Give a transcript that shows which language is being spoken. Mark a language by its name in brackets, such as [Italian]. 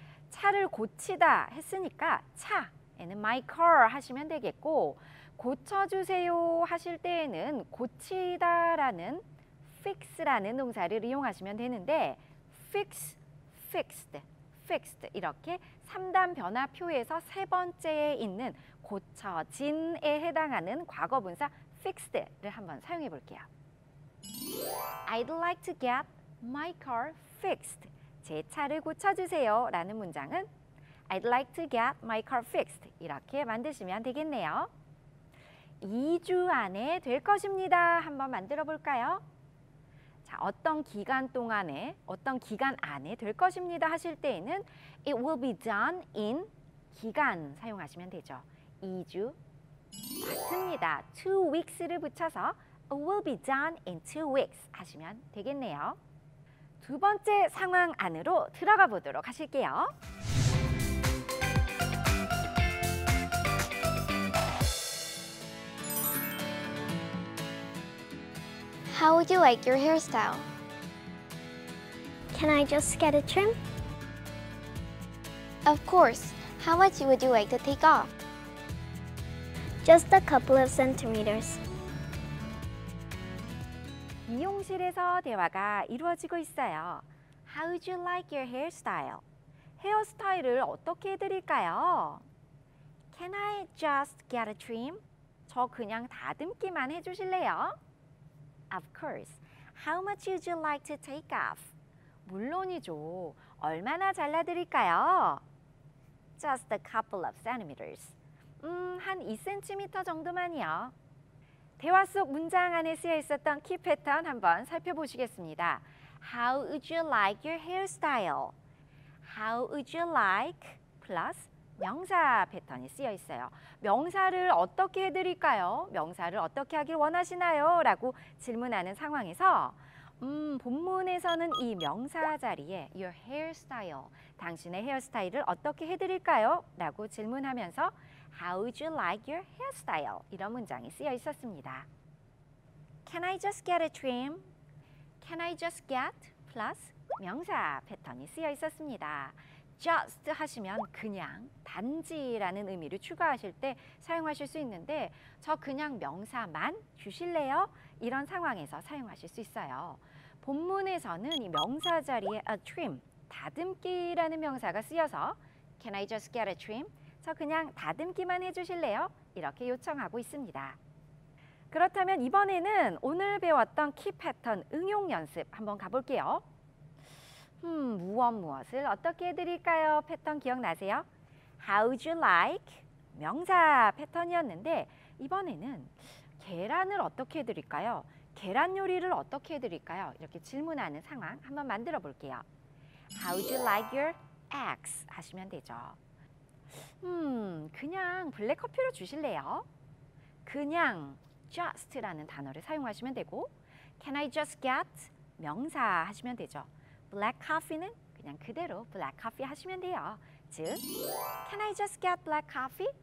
[Korean] 차를 고치다 했으니까 차, [English] and my car [Korean] 하시면 되겠고 고쳐주세요 하실 때에는 고치다 라는 fix라는 동사를 이용하시면 되는데 fix, fixed, fixed 이렇게 3단 변화표에서 세 번째에 있는 고쳐진에 해당하는 과거분사 fixed를 한번 사용해 볼게요. [English] I'd like to get my car fixed. [Korean] 제 차를 고쳐주세요 라는 문장은 [English] I'd like to get my car fixed [Korean] 이렇게 만드시면 되겠네요. 2주 안에 될 것입니다 한번 만들어 볼까요? 어떤 기간 동안에, 어떤 기간 안에 될 것입니다 하실 때에는 [English] It will be done in [Korean] 기간 사용하시면 되죠. 2주 맞습니다. 2 weeks를 붙여서 [English] It will be done in 2 weeks [Korean] 하시면 되겠네요. 두 번째 상황 안으로 들어가 보도록 하실게요. [English] How would you like your hairstyle? Can I just get a trim? Of course. How much would you like to take off? Just a couple of centimeters. [Korean] 미용실에서 대화가 이루어지고 있어요. [English] How would you like your hairstyle? [Korean] 헤어스타일을 어떻게 해드릴까요? [English] Can I just get a trim? [Korean] 저 그냥 다듬기만 해주실래요? [English] Of course. How much would you like to take off? [Korean] 물론이죠. 얼마나 잘라드릴까요? [English] Just a couple of centimeters. [Korean] 한 2cm 정도만이요. 대화 속 문장 안에 쓰여 있었던 키 패턴 한번 살펴보시겠습니다. [English] How would you like your hairstyle? How would you like? [Korean] plus 명사 패턴이 쓰여 있어요. 명사를 어떻게 해드릴까요? 명사를 어떻게 하길 원하시나요? 라고 질문하는 상황에서 본문에서는 이 명사 자리에 [English] your hairstyle, [Korean] 당신의 헤어스타일을 어떻게 해드릴까요? 라고 질문하면서 [English] How would you like your hairstyle? [Korean] 이런 문장이 쓰여 있었습니다. [English] Can I just get a trim? Can I just get? [Korean] plus 명사 패턴이 쓰여 있었습니다. Just 하시면 그냥, 단지라는 의미를 추가하실 때 사용하실 수 있는데 저 그냥 명사만 주실래요? 이런 상황에서 사용하실 수 있어요. 본문에서는 이 명사 자리에 [English] a trim, [Korean] 다듬기라는 명사가 쓰여서 [English] Can I just get a trim? [Korean] 저 그냥 다듬기만 해주실래요? 이렇게 요청하고 있습니다. 그렇다면 이번에는 오늘 배웠던 키 패턴 응용 연습 한번 가볼게요. 무엇을 어떻게 해드릴까요? 패턴 기억나세요? [English] How would you like? [Korean] 명사 패턴이었는데 이번에는 계란을 어떻게 해드릴까요? 계란 요리를 어떻게 해드릴까요? 이렇게 질문하는 상황 한번 만들어 볼게요. [English] How would you like your eggs? [Korean] 하시면 되죠. 그냥 블랙커피로 주실래요? 그냥 just라는 단어를 사용하시면 되고 [English] Can I just get? [Korean] 명사 하시면 되죠. Black coffee는 그냥 그대로 black coffee 하시면 돼요. [English] 즉, Can I just get black coffee?